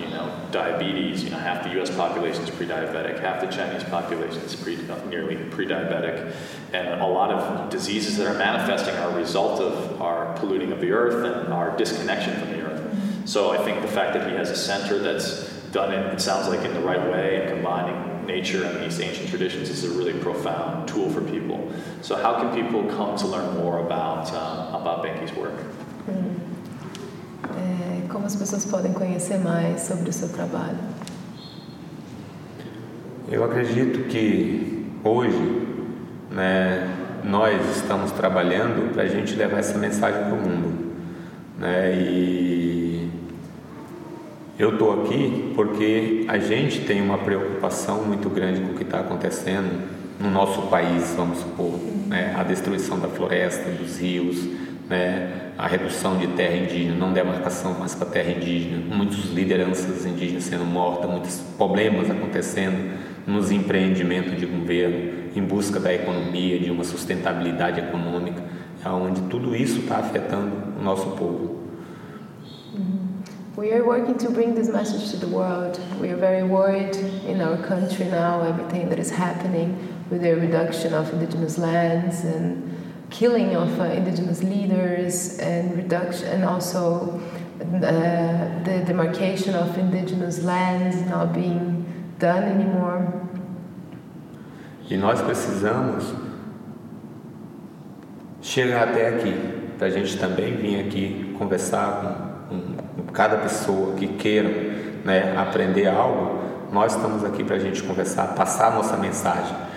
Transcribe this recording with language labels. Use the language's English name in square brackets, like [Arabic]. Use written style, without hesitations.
[English] You know, diabetes, you know, half the U.S. population is pre-diabetic, half the Chinese population is nearly pre-diabetic, and a lot of diseases that are manifesting are a result of our polluting of the earth and our disconnection from the earth. So I think the fact that he has a center that's done it sounds like in the right way and combining nature and these ancient traditions is a really profound tool for people. So how can people come to learn more about Banky's work? [Portuguese] Como as pessoas podem conhecer mais sobre o seu trabalho? Eu acredito que hoje, né, nós estamos trabalhando para a gente levar essa mensagem para o mundo, né? E eu estou aqui porque a gente tem uma preocupação muito grande com o que está acontecendo no nosso país, vamos supor, né? A destruição da floresta, dos rios, né? A redução de terra indígena, não demarcação mais para terra indígena, muitas lideranças indígenas sendo mortas, muitos problemas acontecendo nos empreendimentos de governo, em busca da economia, de uma sustentabilidade econômica, onde tudo isso está afetando o nosso povo. [English] We are working to bring this message to the world. We are very worried in our country now, everything that is happening with the reduction of indigenous lands and killing of indigenous leaders and reduction, and also the demarcation of indigenous lands not being done anymore. [Portuguese] E nós precisamos chegar até aqui para a gente também vir aqui conversar com cada pessoa que queira, né, aprender algo, nós estamos aqui para a gente conversar, passar a nossa mensagem.